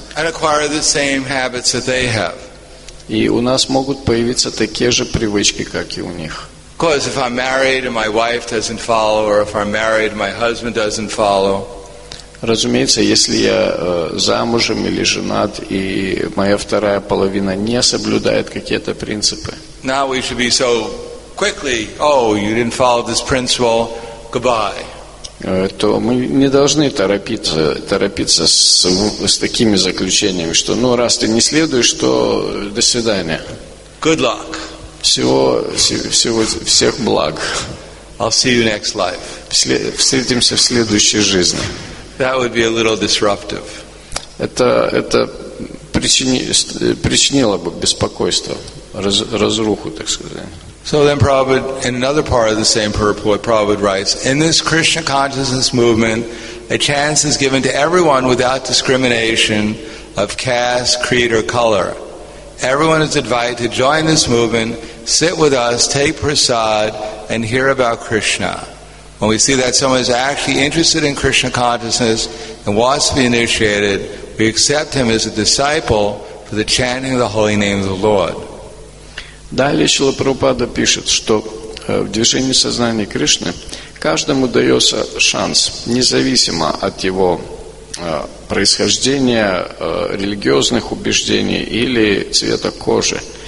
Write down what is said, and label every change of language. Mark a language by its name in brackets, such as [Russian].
[English] And acquire the same habits that they have. [Russian] И у нас могут появиться такие же привычки, как и у них. [English] Because if I'm married and my wife doesn't follow, or if I'm married and my husband doesn't follow. [Russian] Разумеется, если я замужем или женат, и моя вторая половина не соблюдает какие-то принципы. [English] Now we should be so quickly, oh, you didn't follow this principle, goodbye. [Russian] То мы не должны торопиться с такими заключениями, что, ну, раз ты не следуешь, то до свидания. [English] Good luck. [Russian] Всех благ. [English] I'll see you next life. [Russian] Встретимся в следующей жизни. [English] That would be a little disruptive. [Russian] Это причинило бы беспокойство, разруху, так сказать. [English] So then Prabhupada, in another part of the same purport, Prabhupada writes, in this Krishna consciousness movement, a chance is given to everyone without discrimination of caste, creed, or color. Everyone is invited to join this movement, sit with us, take prasad, and hear about Krishna. When we see that someone is actually interested in Krishna consciousness and wants to be initiated, we accept him as a disciple for the chanting of the holy name of the Lord. [Russian] Далее Шрила Прабхупада пишет, что в движении сознания Кришны каждому дается шанс, независимо от его происхождения, религиозных убеждений или цвета кожи.